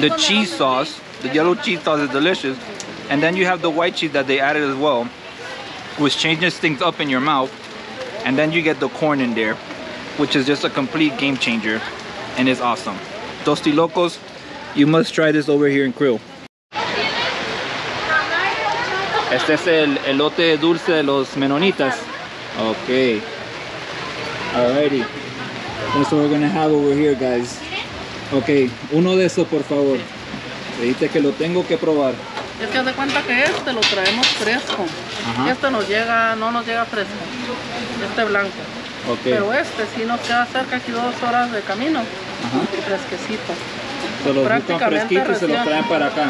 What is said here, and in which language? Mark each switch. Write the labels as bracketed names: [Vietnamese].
[English] The cheese sauce, the yellow cheese sauce is delicious. And then you have the white cheese that they added as well, which changes things up in your mouth. And then you get the corn in there, which is just a complete game changer and is awesome. Tostilocos, you must try this over here in Creole. [Spanish] Este es el elote dulce de los menonitas. [English] Okay. Alrighty. That's what we're gonna have over here, guys. [Spanish] Okay, uno de esos, por favor. Le dije que lo tengo que probar. Es que haz de cuenta que este lo traemos fresco. Ajá. Este no nos llega fresco. Este blanco. [English] Okay. [Spanish] Pero este sí nos queda cerca, aquí 2 horas de camino. Ajá. Fresquecito. Se los buscan fresquitos recién, y se los traen para acá.